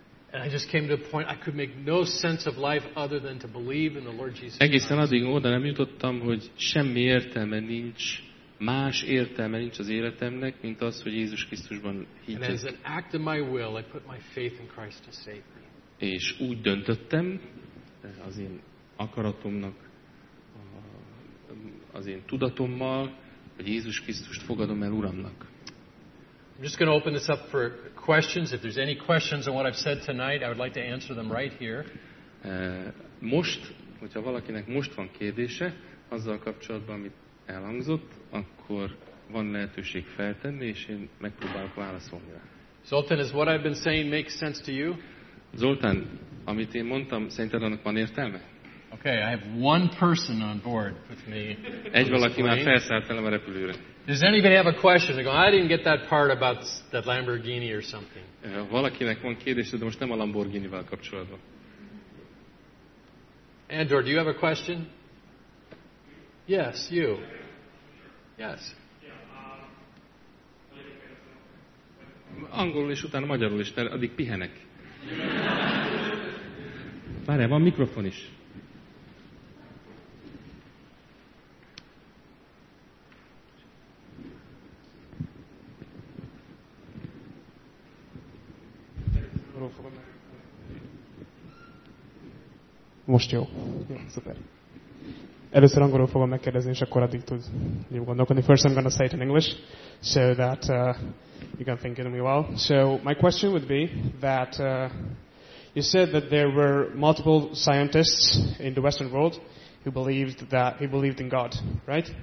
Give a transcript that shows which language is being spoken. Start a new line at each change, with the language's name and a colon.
English: And I just came to a point I could make no sense of life other than to believe in the Lord Jesus Christ.
Hungarian: Egészen addig oda nem jutottam, hogy semmi értelme nincs, más értelme nincs az életemnek, mint az, hogy Jézus Krisztusban hittem.
English: And as an act of my will, I put my faith in Christ to save me.
Hungarian: És úgy döntöttem, az én akaratomnak, az én tudatommal, hogy Jézus Krisztust fogadom el Uramnak.
English: I'm just going to open this up for questions. If there's any questions on what I've said tonight, I would like to answer them right here.
Hungarian: Most, hogyha valakinek most van kérdése azzal kapcsolatban, amit elhangzott, akkor van lehetőség feltenni, és én megpróbálok válaszolni rá.
English: Zoltán, is what I've been saying makes sense to you?
Hungarian: Zoltán, amit én mondtam, szerinted annak van értelme?
English: Okay, I have one person on board with me.
Hungarian: Egy valaki már felszállt velem a repülőre.
English: Does anybody have a question? They go, I didn't get that part about that Lamborghini or something.
Hungarian: Valakinek van kérdése, de most nem a Lamborghinivel kapcsolatban.
English: Andor, do you have a question? Yes, you. Yes.
Hungarian: Angolul és utána magyarul is, mert addig pihenek. Várjál, van mikrofon is. Most jó. Szuper. Először angolul fogom megkérdezni, és akkor addig tud jó gondolkodni.
English: First I'm going to say it in English, so that you can think it in me well. So my question would be that You said that there were multiple scientists in the Western world who believed that he believed in God, right?